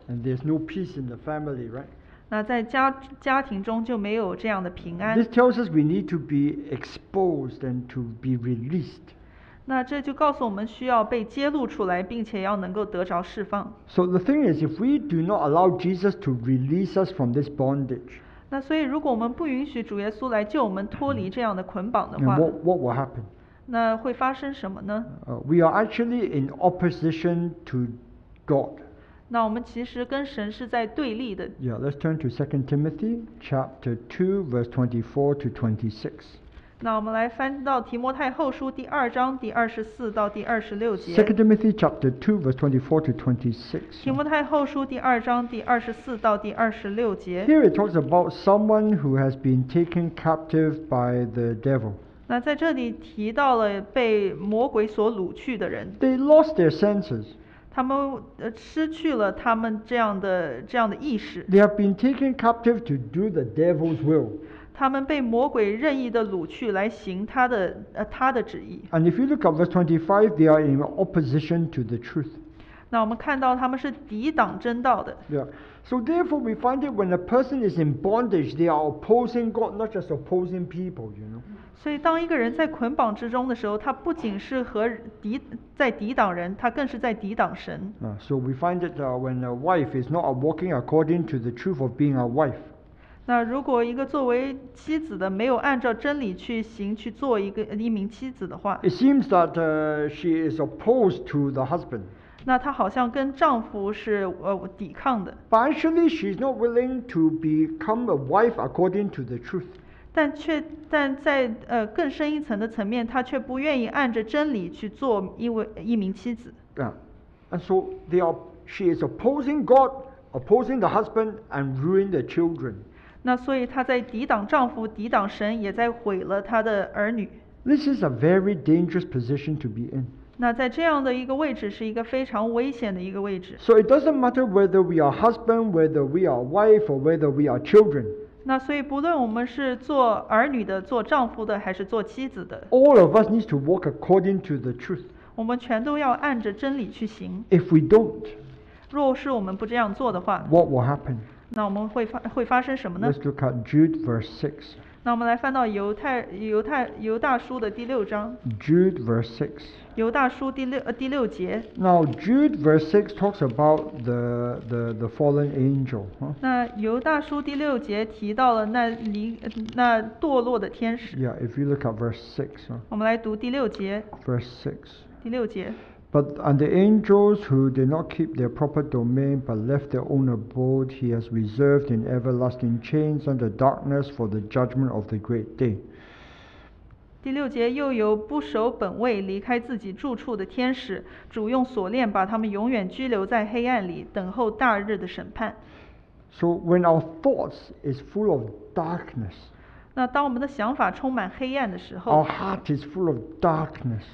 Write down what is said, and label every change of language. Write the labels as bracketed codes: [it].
[en] And there's no peace in the family, right? [zh] 那在 家庭中就没有这样的平安。 [en] This tells us we need to be exposed and to be released. [zh] 那这就告诉我们需要被揭露出来，并且要能够得着释放。 [en] So the thing is, if we do not allow Jesus to release us from this bondage, [zh] 那所以如果我们不允许主耶稣来救我们脱离这样的捆绑的话， [en] what will happen? [zh] 那会发生什么呢？ [en] We are actually in opposition to God. [zh] 那我们其实跟神是在对立的。 [en] Yeah, let's turn to 2 Timothy chapter 2, verse 24 to 26. [zh] 那我们来翻到提摩太后书第二章第二十四到第二十六节。 [en] 2 Timothy chapter 2, verse 24 to 26. [zh] 提摩太后书第二章第二十四到第二十六节。 [en] Here it talks about someone who has been taken captive by the devil. [zh] 那在这里提到了被魔鬼所掳去的人。 [en] They lost their senses. [zh] 他们失去了他们这样的意识。 [en] They have been taken captive to do the devil's will. [zh] 他们被魔鬼任意的掳去来行他的旨意。 [en] And if you look at verse 25, they are in opposition to the truth. [zh] 那我们看到他们是抵挡真道的。 Yeah. [en] So therefore, we find that when a person is in bondage, they are opposing God, not just opposing people, you know. [zh] 所以当一个人在捆绑之中的时候，他不仅是在抵挡人，他更是在抵挡神。 [en] So we find that when a wife is not walking according to the truth of being a wife. [zh] 那如果一个作为妻子的没有按照真理去行去做一名妻子的话 [en] ，It seems that she is opposed to the husband. [zh] 那她好像跟丈夫是抵抗的。 [en] But actually, she is not willing to become a wife according to the truth. [zh] 但在更深一层的层面，她却不愿意按着真理去做一名妻子。 Yeah. [en] And so she is opposing God, opposing the husband, and ruining the children. [zh] 那所以她在抵挡丈夫，抵挡神，也在毁了她的儿女。 [en] This is a very dangerous position to be in. [zh] 那在这样的一个位置，是一个非常危险的一个位置。 [en] So it doesn't matter whether we are husband, whether we are wife, or whether we are children. [zh] 那所以不论我们是做儿女的、做丈夫的，还是做妻子的 [en] ，All of us needs to walk according to the truth. [zh] 我们全都要按着真理去行。 [en] If we don't, [zh] 若是我们不这样做的话 [en] ，What will happen? [zh] 那我们会发生什么呢 [en] ？Let's look at Jude verse 6. [zh] 那我们来翻到犹大书的第六章。 [en] Jude verse 6. [zh] 犹大书第六节。 [en] Now Jude verse 6 talks about the fallen angel.、Huh? [zh] 那犹大书第六节提到了那堕落的天使。 [en] Yeah, if you look at verse 6.、Huh? [zh] 我们来读第六节。 [en] Verse 6. [zh] 第六节。 [en] But and the angels who did not keep their proper domain but left their own abode, he has reserved in everlasting chains under darkness for the judgment of the great day. [zh] 第六节又有不守本位离开自己住处的天使，主用锁链把他们永远拘留在黑暗里，等候大日的审判。 [en] So when our thoughts is full of darkness. [zh] 那当我们的想法充满黑暗的时候 [en] ，Our heart is full of darkness.